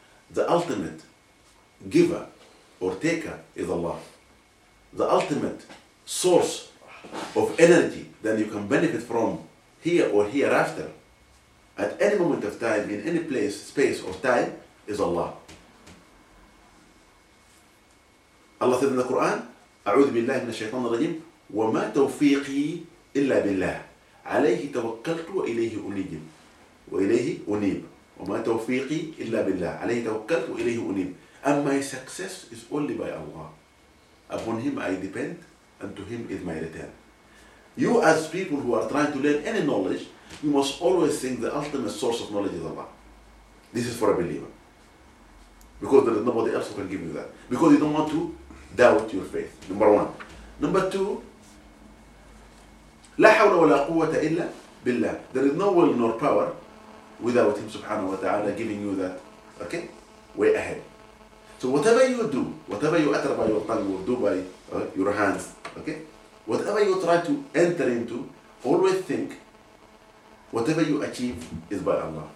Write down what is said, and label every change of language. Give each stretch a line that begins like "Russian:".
English: The ultimate giver or taker is Allah. The ultimate source of energy that you can benefit from here or hereafter, at any moment of time, in any place, space or time, is Allah. Allah said in the Quran,
Arabic: أعوذ بالله من الشيطان الرجيم وما توفيقي إلا بالله عليه توكلت وإليه أنيب وإليه أنيب وما توفيقي إلا بالله عليه توكلت وإليه أنيب.
English: And my success is only by Allah. Upon Him I depend, and to Him is my return. You as people who are trying to learn any knowledge, you must always think the ultimate source of knowledge is Allah. This is for a believer. Because there is nobody else who can give you that. Because you don't want to doubt your faith. Number one. Number two,
Arabic: لا حول ولا قوة إلا بالله.
English: There is no will nor power without Him subhanahu wa ta'ala giving you that, okay, way ahead. So whatever you do, whatever you utter by your tongue or do by your hands, okay, whatever you try to enter into, always think, whatever you achieve is by Allah.